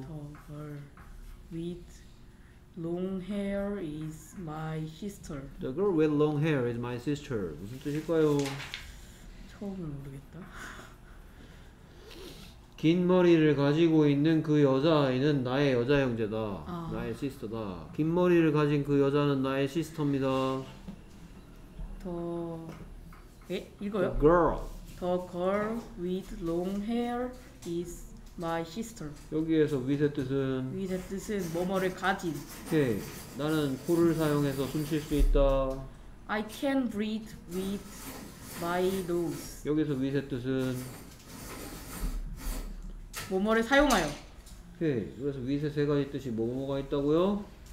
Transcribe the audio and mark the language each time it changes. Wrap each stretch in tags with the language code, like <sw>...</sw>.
<en>The girl with long hair is my sister. The girl with long hair is my sister.</en> <ko>무슨 뜻일까요? 처음은 모르겠다. 긴 머리를 가지고 있는 그 여자아이는 나의 여자 형제다. 아. 나의 시스터다. 긴 머리를 가진 그 여자는 나의 시스터입니다. 더... 에? 읽어요?</ko> <en>The girl. The girl with long hair is my sister.</en> <ko>여기에서 with의 뜻은? with의 뜻은 뭐뭐를 가진. 오케이. 나는 코를 사용해서 숨 쉴 수 있다.</ko> <en>I can breathe with my nose.</en> <ko>여기서 with의 뜻은? 뭐뭐를 사용하여. 오케이. 그래서 위세 세 가지 뜻이 뭐뭐가 있다고요?</ko>